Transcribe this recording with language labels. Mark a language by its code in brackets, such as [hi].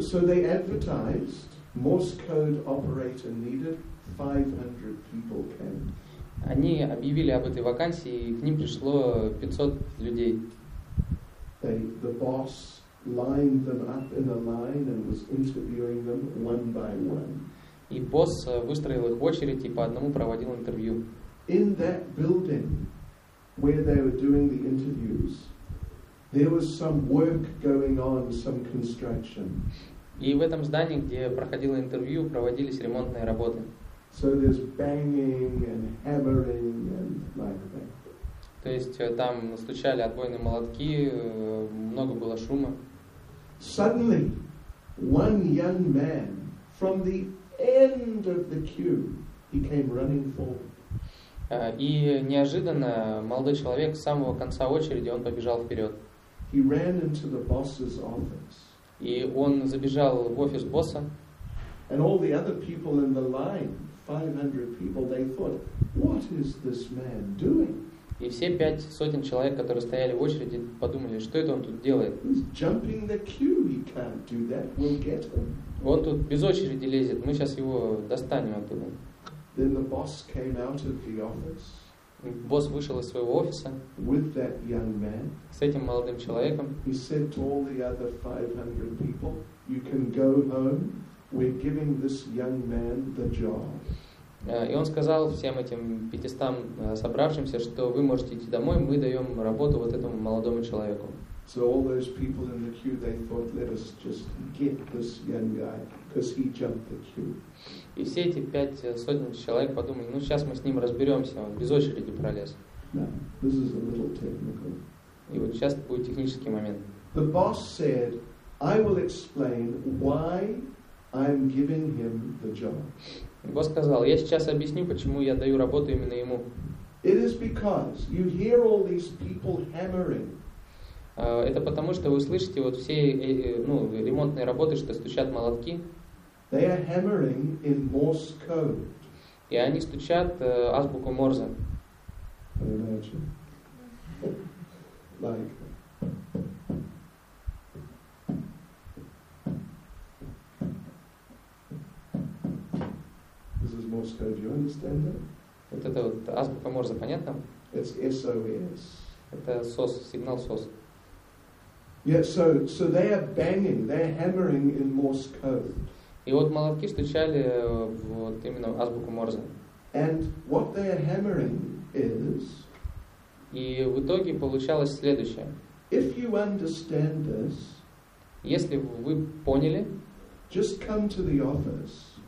[en] So they advertised Morse code operator needed, 500 people came. [ru] Они объявили об этой вакансии, и к ним пришло 500 людей. [en] The boss lined them up in a line and was interviewing them one by one. [ru] И босс выстроил их в очередь и по одному проводил интервью. [en] In that building, where they were doing the interviews, there was some work going on, some construction. [ru] И в этом здании, где проходило интервью, проводились ремонтные работы. [en] So there's banging and hammering and like that. [ru] То есть там стучали отбойные молотки, много было шума. [en] Suddenly, one young man from the end of the queue, he came running forward. [ru] И неожиданно молодой человек с самого конца очереди, он побежал вперед. [en] He ran into the boss's office. [ru] И он забежал в офис босса. [en] And all the other people in the line, 500 people, they thought, what is this man doing? [ru] И все 500 человек, которые стояли в очереди, подумали, что это он тут делает? [en] He's jumping the queue, he can't do that, we'll get him. [ru] Он тут без очереди лезет, мы сейчас его достанем оттуда. [en] Then the boss came out of the office. [ru] Босс вышел из своего офиса [en] with that young man. [ru] С этим молодым человеком. [en] He said to all the other 500 people, you can go home, we're giving this young man the job. [ru] И он сказал всем этим 500 собравшимся, что вы можете идти домой, мы даем работу вот этому молодому человеку. [en] So all those people in the queue, they thought, let us just get this young guy, because he jumped the queue. [ru] И все эти 500 человек подумали, ну сейчас мы с ним разберемся, он без очереди пролез. [en] No, this is a little technical. [ru] И вот сейчас будет технический момент. [en] The boss said, I will explain why I'm giving him the job. [ru] Босс сказал, я сейчас объясню, почему я даю работу именно ему. [en] It is because you hear all these people hammering. [ru] Это потому, что вы слышите вот все ремонтные работы, что стучат молотки. [en] They are hammering in Morse code. [ru] И они стучат азбуку Морзе. [en] Can you imagine? Like. Do you understand that? [ru] Вот это вот азбука Морзе, понятно? [en] It's SOS. [ru] Это SOS, сигнал SOS. [en] Yeah, so they are banging, they're hammering in Morse code. [ru] И вот молотки стучали вот именно азбуку Морзе. [en] And what they are hammering is. [ru] И в итоге получалось следующее. [en] If you understand this, [ru] если вы поняли, [en] just come to the office.